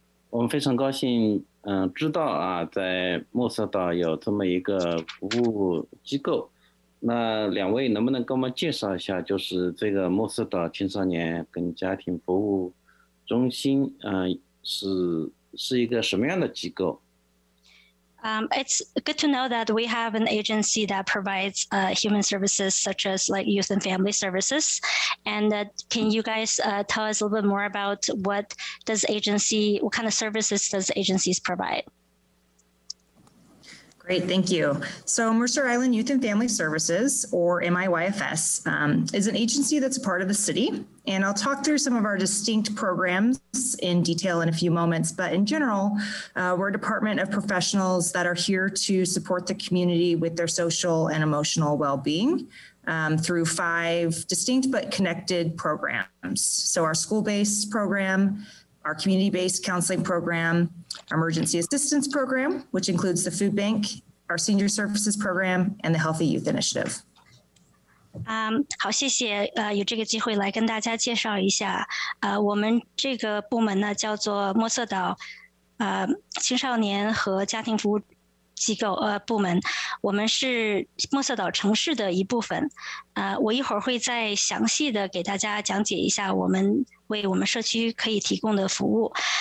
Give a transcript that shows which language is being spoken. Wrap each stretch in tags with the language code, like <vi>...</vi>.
<zh>我们非常高兴，知道啊，在墨色岛有这么一个服务机构。那两位能不能给我们介绍一下，就是这个墨色岛青少年跟家庭服务中心，是一个什么样的机构？</zh> <en>It's good to know that we have an agency that provides human services such as like youth and family services. And can you guys tell us a little bit more about what kind of services does agencies provide? Great, thank you. So Mercer Island Youth and Family Services, or MIYFS, is an agency that's a part of the city. And I'll talk through some of our distinct programs in detail in a few moments. But in general, we're a department of professionals that are here to support the community with their social and emotional well-being through 5 distinct but connected programs. So our school-based program,our community-based counseling program, our emergency assistance program, which includes the food bank, our senior services program, and the Healthy Youth Initiative.</en> <zh>好，谢谢，有这个机会来跟大家介绍一下，我们这个部门呢叫做墨色岛，青少年和家庭服务机构，部门，我们是墨色岛城市的一部分，我一会儿会再详细的给大家讲解一下我们为我们社区可以提供的服务，</zh>